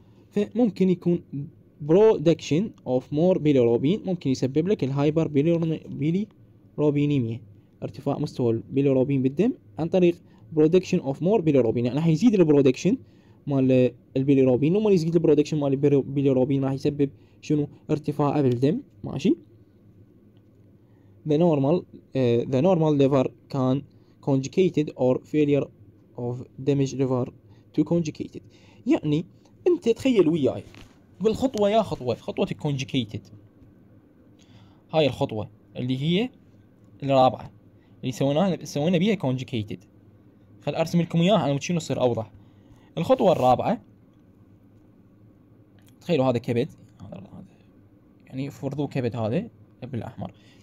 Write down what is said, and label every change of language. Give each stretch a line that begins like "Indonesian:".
Arabic: فممكن يكون
English: production of more bilirubin
Arabic: ممكن يسبب لك الهايبر بيليروبينيميا، ارتفاع مستوى البيليروبين بالدم عن طريق برودكشن اوف مور بيليروبين. يعني حيزيد البرودكشن مال البيليروبين، وما يزيد البرودكشن مال البيليروبين راح يسبب شنو؟ ارتفاع بالدم ماشي.
English: The normal liver can conjugated or failure of damaged liver to conjugated.
Arabic: يعني انت تخيل وياي بالخطوه، يا خطوه الكونجكيتد هاي الخطوه اللي هي الرابعه اللي سوينا بيها كونجكيتد. خل ارسم لكم اياها انا شنو يصير اوضح. الخطوه الرابعه تخيلوا هذا كبد، يعني فرضوا كبد هذا بالاحمر.